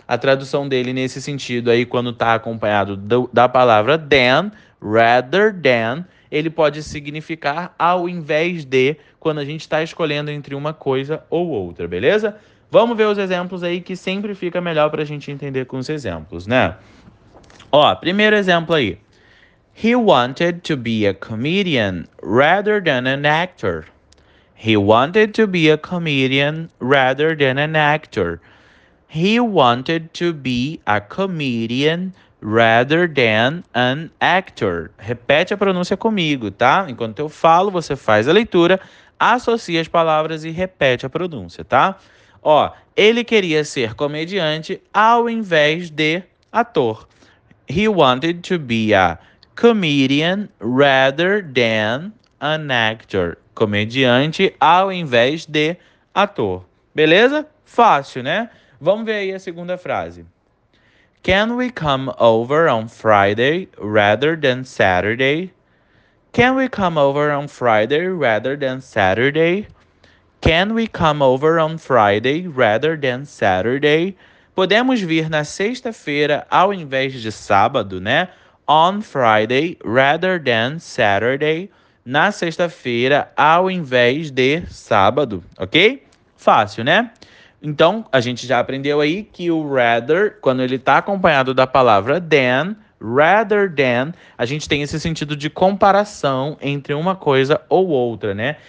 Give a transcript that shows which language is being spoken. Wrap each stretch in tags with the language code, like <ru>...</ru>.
<pt>A tradução dele nesse sentido aí, quando está acompanhado da palavra than, rather than. Ele pode significar ao invés de quando a gente está escolhendo entre uma coisa ou outra, beleza? Vamos ver os exemplos aí que sempre fica melhor para a gente entender com os exemplos, né? Ó, primeiro exemplo aí.</pt> <en>He wanted to be a comedian rather than an actor. He wanted to be a comedian rather than an actor. He wanted to be a comedian rather than an actor.</en> <pt>Repete a pronúncia comigo, tá? Enquanto eu falo, você faz a leitura, associa as palavras e repete a pronúncia, tá? Ó, ele queria ser comediante ao invés de ator.</pt> <en>He wanted to be a comedian rather than an actor.</en> <pt>Comediante ao invés de ator. Beleza? Fácil, né? Vamos ver aí a segunda frase.</pt> <en>Can we come over on Friday rather than Saturday? Can we come over on Friday rather than Saturday? Can we come over on Friday rather than Saturday?</en> <pt>Podemos vir na sexta-feira ao invés de sábado, né?</pt> <en>On Friday rather than Saturday.</en> <pt>Na sexta-feira ao invés de sábado, ok? Fácil, né? Então, a gente já aprendeu aí que o rather, quando ele está acompanhado da palavra than, rather than, a gente tem esse sentido de comparação entre uma coisa ou outra, né?</pt>